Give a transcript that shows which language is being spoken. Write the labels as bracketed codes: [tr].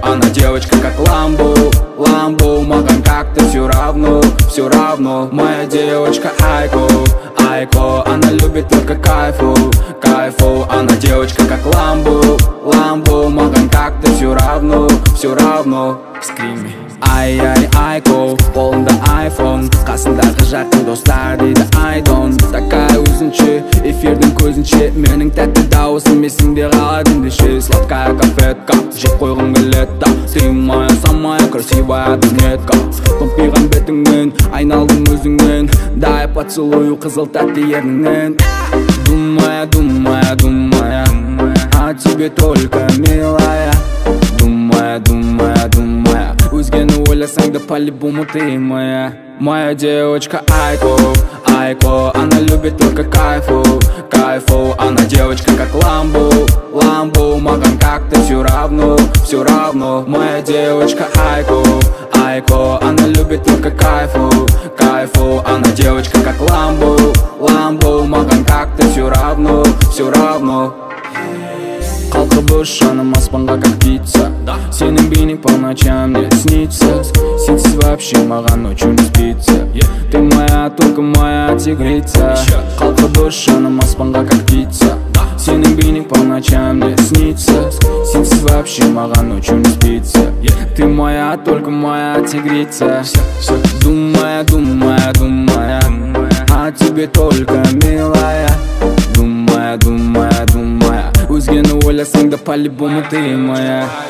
[ru] Она девочка как Ламбу, Ламбу. Макан как-то все равно, все равно. Моя девочка Айку, Айко, она любит только кайфу, кайфу. Она девочка как Ламбу, Ламбу. Макан как-то все равно, все равно. Скрими. Ай-яй, Айко, полон до айфон. [kk] Қасында қажатын достар дейді айдон. [ru] Такая [kk] өзінші, эфирдің көзінші. Менің тәтті дауысым есіңде қалады ендеше. [ru] Сладкая кафетка, [kk] жеп қойғым келетта. [ru] Ты моя самая красивая дынетка. [kk] Томпиған бетіңмен, айналдың өзіңмен. [ru] Дай поцелую [kk] қызыл тәтті ернінен. [ru] Думая, думая, думая, а тебе только милая. Думая, думая, думая, [kk] өзгені ойласаң да [ru] по-любому ты моя. Моя девочка Айко, Айко, она любит только кайфу, кайфу. Она девочка как Ламбу, Ламбу. Макан как-то все равно, все равно. Моя девочка Айко, Айко, она любит только кайфу, кайфу. Она девочка как Ламбу, Ламбу. Макан как-то все равно, все равно. [kk] Қалқыбыш жаным аспанға [ru] как пицца, да. [kk] Сенің бейнің [ru] по ночам не снится. [kk] Сенсіз [ru] вообще [kk] маған [ru] ночью не спится, yeah. Ты моя, только моя тигрица. [kk] Қалқыбыш жаным аспанға [ru] как пицца, да. [kk] Сенің бейнің [ru] по ночам не снится. [kk] Сенсіз [ru] вообще [kk] маған [ru] ночью не спится, yeah. Ты моя, только моя тигрица, все, все. Думая, думая, думая, думая о тебе только, милая. Думая, думая, думая, [kk] өзгені ойласаң да [ru] по-любому ты моя.